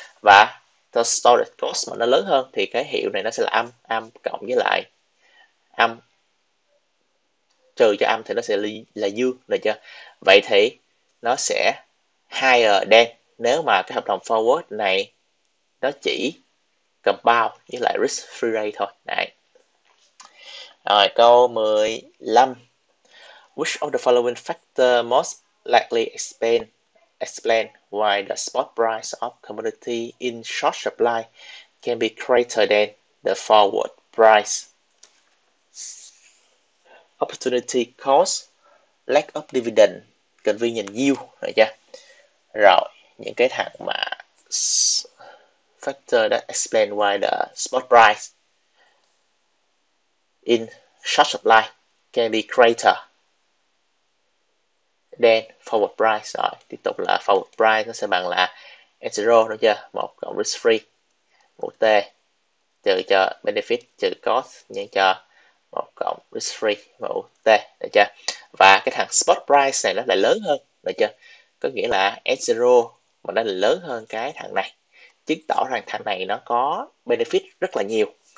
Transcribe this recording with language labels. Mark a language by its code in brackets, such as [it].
[vi] Và the storage cost mà nó lớn hơn thì cái hiệu này nó sẽ là âm, âm cộng với lại âm trừ cho âm thì nó sẽ là dương, được chưa? Vậy thì nó sẽ [en] higher than [vi] nếu mà cái hợp đồng forward này nó chỉ cầm bao với lại risk free rate thôi. Đấy. Rồi, câu 15. [en] Which of the following factor most likely explain why the spot price of commodity in short supply can be greater than the forward price? Opportunity cost, lack of dividend, convenient yield, [vi] được chưa? Rồi, những cái thằng mà [en] factor that explain why the spot price in short supply can be greater than forward price. [vi] Rồi, tiếp tục là forward price nó sẽ bằng là S0, được chưa? 1 cộng risk free, mũ T, trừ cho benefit, trừ cost, nhân cho 1 cộng risk free mũ T, được chưa? Và cái thằng spot price này nó lại lớn hơn, được chưa? Có nghĩa là S0 mà nó lớn hơn cái thằng này, chứng tỏ rằng thằng này nó có benefit rất là nhiều.